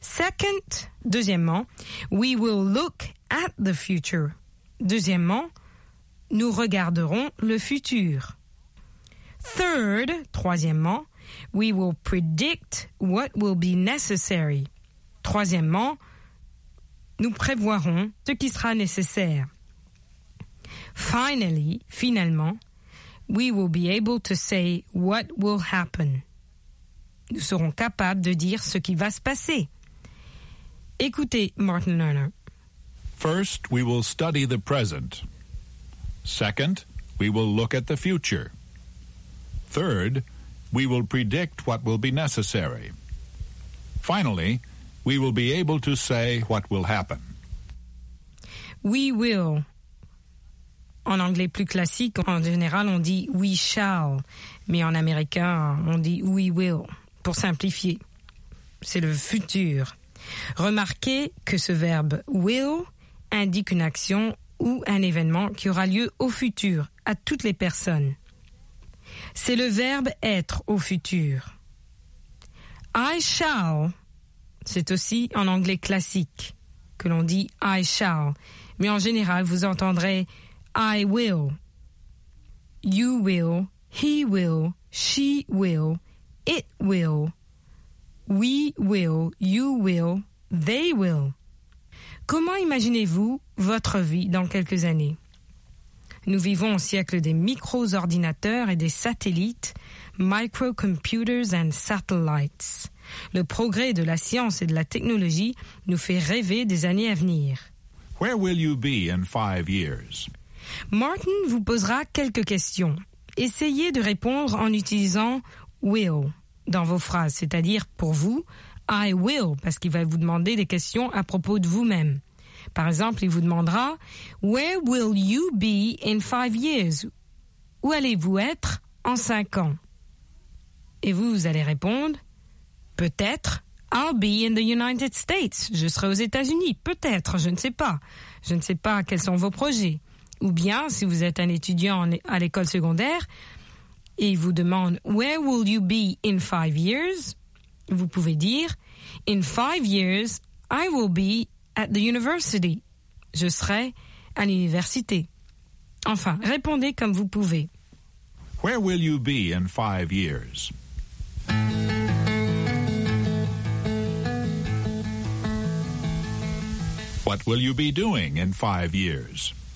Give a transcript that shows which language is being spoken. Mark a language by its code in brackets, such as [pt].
[en] Second, deuxièmement, « we will look at the future. » [fr] Deuxièmement, « nous regarderons le futur. [en] » Third, troisièmement, « we will predict what will be necessary. » [fr] Troisièmement, nous prévoirons ce qui sera nécessaire. [en] Finally, finalement, we will be able to say what will happen. [fr] Nous serons capables de dire ce qui va se passer. Écoutez, Martin Lerner. [en] First, we will study the present. Second, we will look at the future. Third, we will predict what will be necessary. Finally, we will be able to say what will happen. We will. [fr] En anglais plus classique, en général, on dit [en] we shall. [fr] Mais en américain, on dit [en] we will. [fr] Pour simplifier, c'est le futur. Remarquez que ce verbe will indique une action ou un événement qui aura lieu au futur, à toutes les personnes. C'est le verbe être au futur. [en] I shall. [fr] C'est aussi en anglais classique que l'on dit « [en] I shall ». [fr] Mais en général, vous entendrez [en] « I will ».« You will »,« He will »,« She will »,« It will ».« We will »,« You will »,« They will ». [fr] Comment imaginez-vous votre vie dans quelques années? Nous vivons au siècle des micro-ordinateurs et des satellites « [en] microcomputers and satellites ». [fr] Le progrès de la science et de la technologie nous fait rêver des années à venir. [en] Where will you be in 5 years? [fr] Martin vous posera quelques questions. Essayez de répondre en utilisant « will » dans vos phrases, c'est-à-dire pour vous, « I will » parce qu'il va vous demander des questions à propos de vous-même. Par exemple, il vous demandera « [en] Where will you be in 5 years? [fr] » Où allez-vous être en 5 ans? Et vous, vous allez répondre peut-être, [en] I'll be in the United States. [fr] Je serai aux États-Unis. Peut-être, je ne sais pas. Je ne sais pas quels sont vos projets. Ou bien, si vous êtes un étudiant à l'école secondaire et il vous demande, [en] where will you be in 5 years? [fr] Vous pouvez dire, [en] in 5 years, I will be at the university. [fr] Je serai à l'université. Enfin, répondez comme vous pouvez. [en] Where will you be in 5 years? What will you be doing in 5 years?